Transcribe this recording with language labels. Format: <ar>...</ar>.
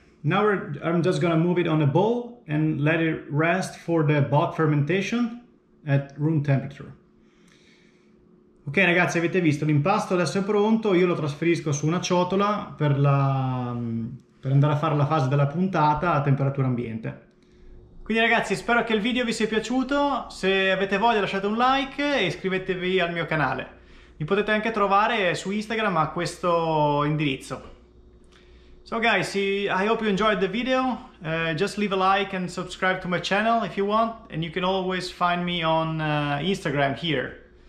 <en>I'm just gonna move it on a bowl and let it rest for the bulk fermentation at room temperature.</en> <it>Ok, ragazzi, avete visto, l'impasto adesso è pronto. Io lo trasferisco su una ciotola per andare a fare la fase della puntata a temperatura ambiente. Quindi, ragazzi, spero che il video vi sia piaciuto. Se avete voglia, lasciate un like e iscrivetevi al mio canale. Mi potete anche trovare su Instagram a questo indirizzo.</it> <en>So guys, I hope you enjoyed the video. Just leave a like and subscribe to my channel if you want, and you can always find me on Instagram here.</en>